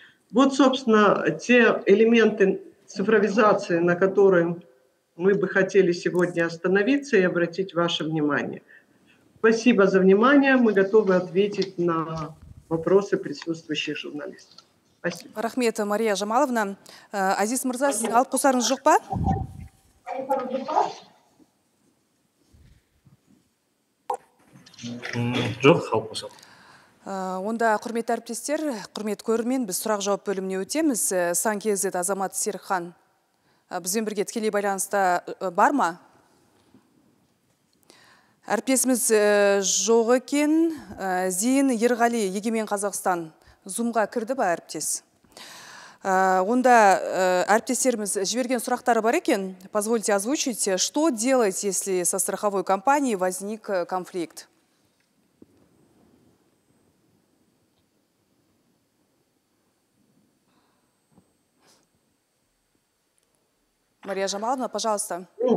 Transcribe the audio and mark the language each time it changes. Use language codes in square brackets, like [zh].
[ru] Вот, собственно, те элементы цифровизации, на которые мы бы хотели сегодня остановиться и обратить ваше внимание. Спасибо за внимание. Мы готовы ответить на вопросы присутствующих журналистов. Спасибо. [kk] Рахмет, Мария Жамаловна. Азиз Мырза, сіз алып қосарыңыз жоқ па? Жоқ, алып қосам. Онда, құрметті әріптестер, құрметті көрермен, біз сұрақ-жауап бөліміне өтеміз. Сан-Кезет Азамат Серікхан, бізбен бірге тікелей байланыста бар ма? Әріптесіміз жоқ екен. Зейін Ерғали, Егемен Қазақстан, зумға кірді ба әріптес? Онда әріптестеріміз жіберген сұрақтары бар екен. [ru] Позвольте озвучить, что делать, если со страховой компанией возник конфликт? Мария Жамаловна, пожалуйста.